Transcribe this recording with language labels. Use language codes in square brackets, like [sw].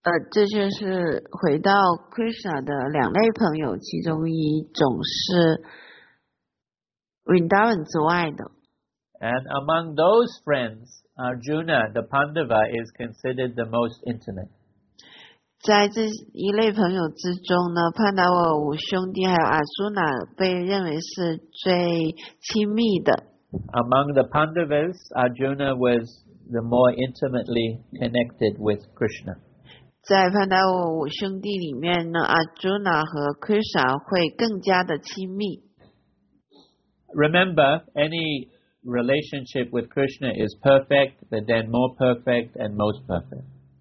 [zh] 这就是回到 Krishna 的两类朋友，其中一种是 Vrindavan 之外的。 [en] And among those friends, Arjuna, the Pandava, is considered the most intimate. [zh] 在这一类朋友之中呢，潘达沃五兄弟还有阿朱那被认为是最亲密的。 [en] Among the Pandavas, Arjuna was the more intimately connected with Krishna. [zh] 在潘达沃五兄弟里面呢，阿朱那和 Krishna 会更加的亲密。 [en] Remember, any relationship with Krishna is perfect, but then more perfect and most perfect.